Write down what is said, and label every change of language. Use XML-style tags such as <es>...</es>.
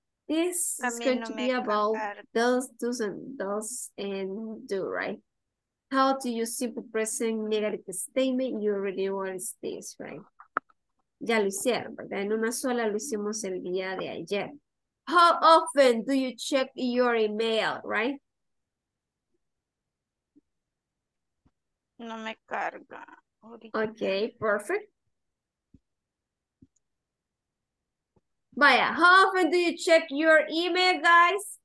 <en>This is going to be about those, do's and does and do, right? How to use simple present negative statement, you already want this, right?</en> <es>Ya lo hicieron, ¿verdad? En una sola lo hicimos el día de ayer.</es> <en>How often do you check your email, right?</en> <es>No me carga.</es> <en>Okay, perfect. Vaya, how often do you check your email, guys?</en>